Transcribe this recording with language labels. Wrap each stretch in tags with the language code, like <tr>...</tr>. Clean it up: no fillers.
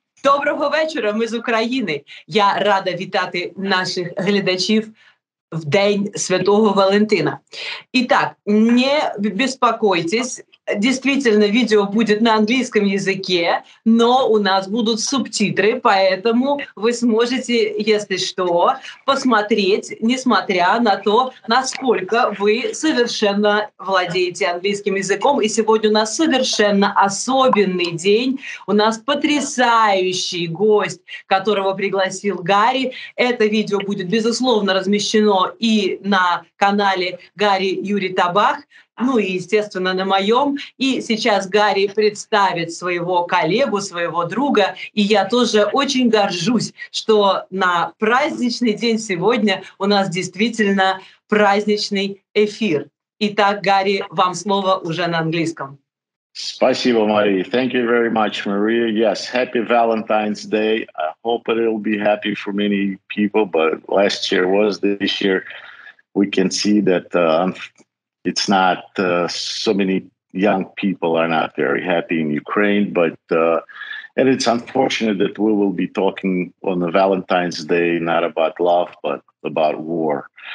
<uk>Доброго вечора, ми з України. Я рада вітати наших глядачів в день Святого Валентина.</uk> <ru>Итак, не беспокойтесь, действительно, видео будет на английском языке, но у нас будут субтитры, поэтому вы сможете, если что, посмотреть, несмотря на то, насколько вы совершенно владеете английским языком. И сегодня у нас совершенно особенный день. У нас потрясающий гость, которого пригласил Гарри. Это видео будет, безусловно, размещено и на канале Гарри Юрий Табах, ну и, естественно, на моем. И сейчас Гарри представит своего коллегу, своего друга. И я тоже очень горжусь, что на праздничный день сегодня у нас действительно праздничный эфир. Итак, Гарри, вам слово уже на английском. Спасибо, Мария.</ru> <en>Thank you very much, Maria. Yes, happy Valentine's Day. I hope it will be happy for many people, but last year was this year. We can see that it's not so many young people are not very happy in Ukraine, but and it's unfortunate that we will be talking on the Valentine's Day not about love but about war.</en>